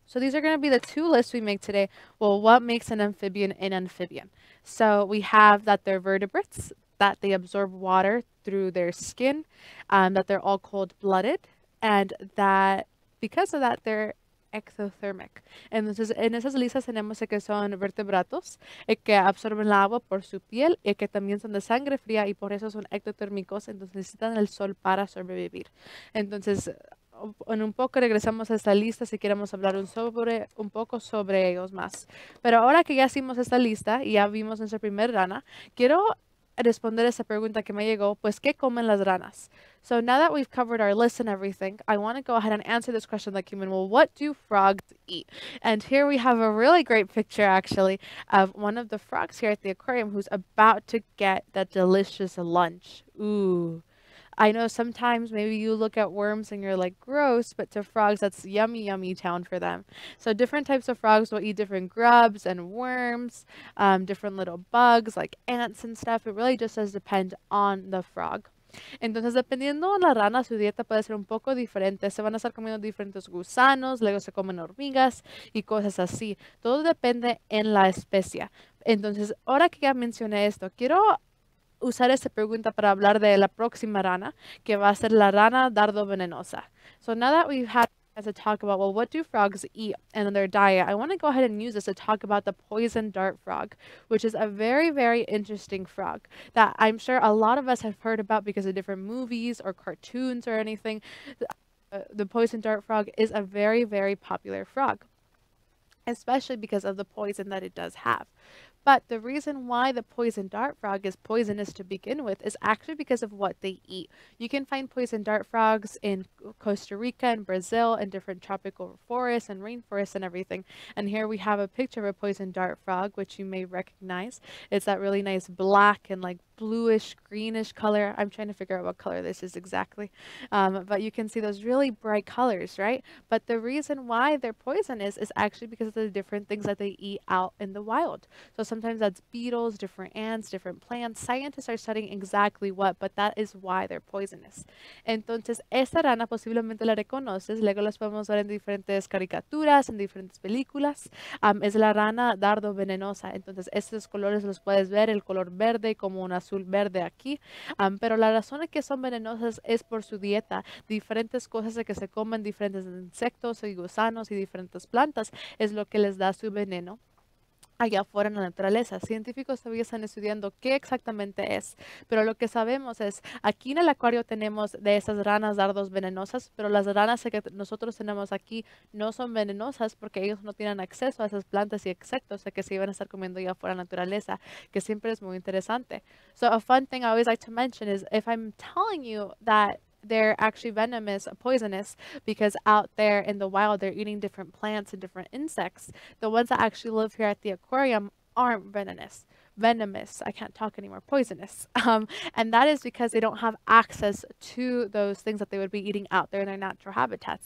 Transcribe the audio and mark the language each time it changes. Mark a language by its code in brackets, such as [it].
[en] So these are going to be the two lists we make today. Well, what makes an amphibian? So we have that they're vertebrates, that they absorb water through their skin, that they're all cold-blooded, and that because of that, they're ectothermic. [es] Entonces, en esas listas tenemos que son vertebrados, que absorben el agua por su piel, y que también son de sangre fría, y por eso son ectotérmicos, entonces necesitan el sol para sobrevivir. Entonces, en un poco regresamos a esta lista si queremos hablar un poco sobre ellos más. Pero ahora que ya hicimos esta lista, y ya vimos nuestra primera rana, quiero responder esa pregunta que me llegó, pues, ¿qué comen las ranas? [en] So now that we've covered our list and everything, I want to go ahead and answer this question that came in. Well, what do frogs eat? And here we have a really great picture, actually, of one of the frogs here at the aquarium who's about to get that delicious lunch. Ooh, I know sometimes maybe you look at worms and you're like, gross, but to frogs, that's yummy, yummy town for them. So different types of frogs will eat different grubs and worms, different little bugs like ants and stuff. It really just does depend on the frog. [es] Entonces, dependiendo de la rana, su dieta puede ser un poco diferente. Se van a estar comiendo diferentes gusanos, luego se comen hormigas y cosas así. Todo depende en la especie. Entonces, ahora que ya mencioné esto, quiero usar esta pregunta para hablar de la próxima rana, que va a ser la rana dardo venenosa. [en] So now that we've had to talk about, well, what do frogs eat and their diet, I want to go ahead and use this to talk about the poison dart frog, which is a very, very interesting frog that I'm sure a lot of us have heard about because of different movies or cartoons or anything. The poison dart frog is a very, very popular frog, especially because of the poison that it does have. But the reason why the poison dart frog is poisonous to begin with is actually because of what they eat. You can find poison dart frogs in Costa Rica and Brazil and different tropical forests and rainforests and everything. And here we have a picture of a poison dart frog, which you may recognize. It's that really nice black and like bluish greenish color. I'm trying to figure out what color this is exactly. But you can see those really bright colors, right? But the reason why they're poisonous is actually because of the different things that they eat out in the wild. So sometimes that's beetles, different ants, different plants. Scientists are studying exactly what, but that is why they're poisonous. [es] Entonces, esta rana posiblemente la reconoces. Luego las podemos ver en diferentes caricaturas, en diferentes películas. Es la rana dardo venenosa. Entonces, estos colores los puedes ver, el color verde como una azul verde aquí, pero la razón es que son venenosas es por su dieta. Diferentes cosas de que se comen, diferentes insectos y gusanos y diferentes plantas es lo que les da su veneno allá afuera en la naturaleza. Científicos todavía están estudiando qué exactamente es, pero lo que sabemos es aquí en el acuario tenemos de esas ranas dardos venenosas, pero las ranas que nosotros tenemos aquí no son venenosas porque ellos no tienen acceso a esas plantas y insectos que se iban a estar comiendo allá afuera en la naturaleza, que siempre es muy interesante. [en] So a fun thing I always like to mention is if I'm telling you that they're actually venomous, poisonous, because out there in the wild they're eating different plants and different insects. The ones that actually live here at the aquarium aren't venomous. Venomous, I can't talk anymore, poisonous. And that is because they don't have access to those things that they would be eating out there in their natural habitats.